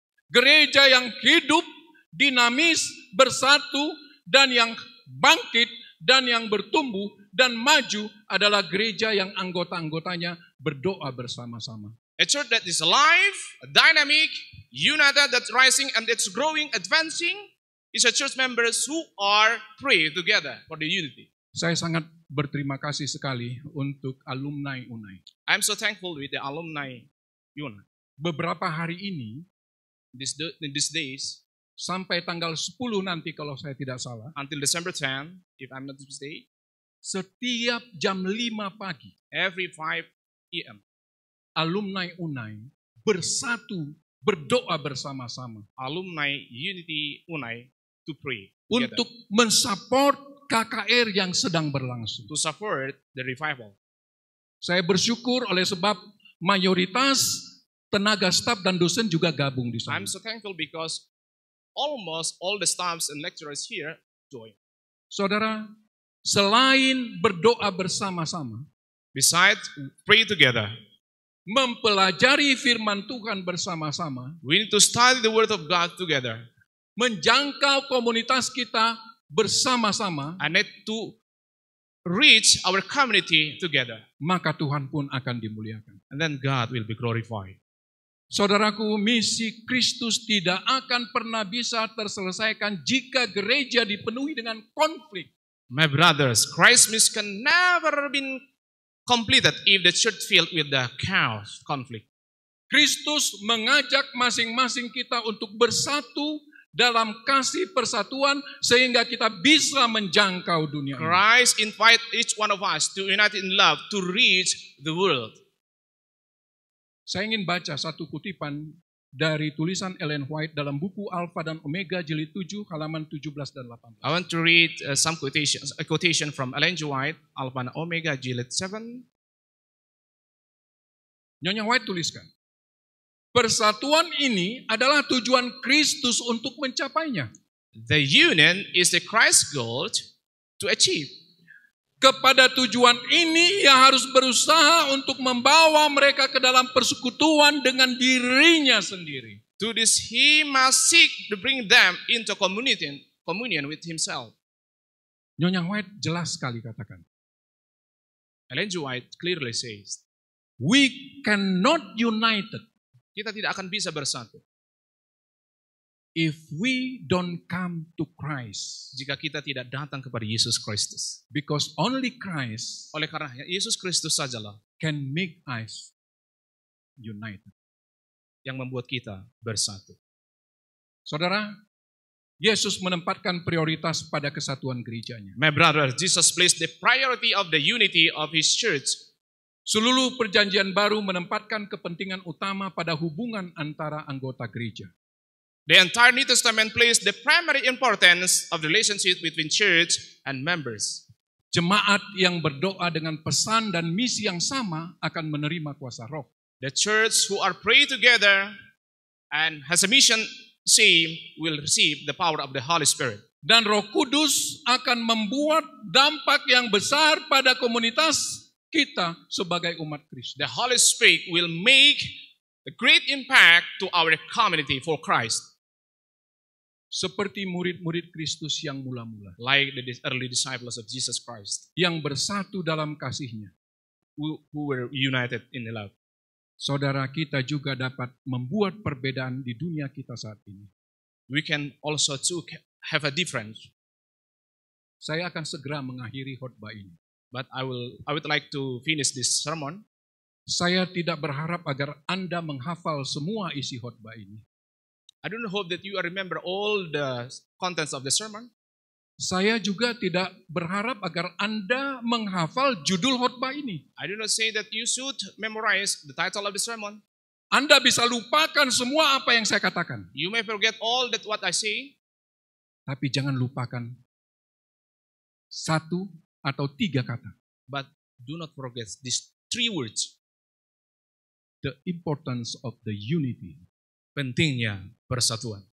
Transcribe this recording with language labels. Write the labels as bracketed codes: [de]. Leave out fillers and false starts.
[id] Gereja yang hidup, dinamis, bersatu, dan yang bangkit, dan yang bertumbuh, dan maju adalah gereja yang anggota-anggotanya berdoa bersama-sama. [en] A church that is alive, dynamic, united, that's rising, and that's growing, advancing, is a church members who are praying together for the unity. [id] Saya sangat berterima kasih sekali untuk alumni UNAI. [en] I'm so thankful with the alumni UNAI. [id] Beberapa hari ini, [en] in these days, [id] sampai tanggal 10 nanti kalau saya tidak salah, [en] until December 10, if I'm not mistaken, [id] setiap jam 5 pagi, [en] every 5 a.m., [id] alumni UNAI bersatu, berdoa bersama-sama. [en] Alumni Unity UNAI to pray. [id] Untuk mensupport KKR yang sedang berlangsung. [en] To support the revival. [id] Saya bersyukur oleh sebab mayoritas tenaga staf dan dosen juga gabung di sana. [en] I'm so thankful because almost all the staffs and lecturers here join. [id] Saudara, selain berdoa bersama-sama, [en] besides pray together, [id] mempelajari firman Tuhan bersama-sama, [en] we need to study the word of God together, [id] menjangkau komunitas kita bersama-sama, [en] I need to reach our community together, [id] maka Tuhan pun akan dimuliakan, [en] and then God will be glorified. [id] Saudaraku, misi Kristus tidak akan pernah bisa terselesaikan jika gereja dipenuhi dengan konflik. [en] My brothers, Christ's mission can never be completed if the church filled with the chaos, conflict. [id] Kristus mengajak masing-masing kita untuk bersatu dalam kasih persatuan sehingga kita bisa menjangkau dunia. [en] Christ invite each one of us to unite in love to reach the world. [id] Saya ingin baca satu kutipan dari tulisan Ellen White dalam buku Alpha dan Omega jilid 7 halaman 17 dan 18. [en] I want to read some quotations, a quotation from Ellen G. White, Alpha and Omega jilid 7. [id] Nyonya White tuliskan, persatuan ini adalah tujuan Kristus untuk mencapainya. [en] The union is the Christ's goal to achieve. [id] Kepada tujuan ini ia harus berusaha untuk membawa mereka ke dalam persekutuan dengan dirinya sendiri. [en] To this he must seek to bring them into communion with himself. [id] Nyonya White jelas sekali katakan. [en] Ellen G. White clearly says, we cannot united. [id] Kita tidak akan bisa bersatu. [en] If we don't come to Christ, [id] jika kita tidak datang kepada Yesus Kristus, [en] because only Christ, [id] oleh karena Yesus Kristus sajalah, [en] can make us united, [id] yang membuat kita bersatu. Saudara, Yesus menempatkan prioritas pada kesatuan gerejanya. [en] My brother, Jesus placed the priority of the unity of his church. [id] Seluruh perjanjian baru menempatkan kepentingan utama pada hubungan antara anggota gereja. [en] The entire New Testament places the primary importance of the relationship between church and members. [id] Jemaat yang berdoa dengan pesan dan misi yang sama akan menerima kuasa Roh. [en] the church who are praying together and has a mission same will receive the power of the Holy Spirit. [id] Dan Roh Kudus akan membuat dampak yang besar pada komunitas kita sebagai umat Kristus. [en] The Holy Spirit will make a great impact to our community for Christ. [id] Seperti murid-murid Kristus yang mula-mula. [en] Like the early disciples of Jesus Christ. [id] Yang bersatu dalam kasihnya. [en] Who were united in the love. [id] Saudara kita juga dapat membuat perbedaan di dunia kita saat ini. [en] We can also too have a difference. [id] Saya akan segera mengakhiri khotbah ini. [en] But I would like to finish this sermon. [id] Saya tidak berharap agar Anda menghafal semua isi khotbah ini. [en] I don't hope that you remember all the contents of the sermon. [id] Saya juga tidak berharap agar Anda menghafal judul khotbah ini. [en] I do not say that you should memorize the title of the sermon. [id] Anda bisa lupakan semua apa yang saya katakan. [en] You may forget all that what I say. [id] Tapi jangan lupakan satu atau tiga kata. [en] But do not forget these three words. The importance of the unity. [id] Pentingnya persatuan.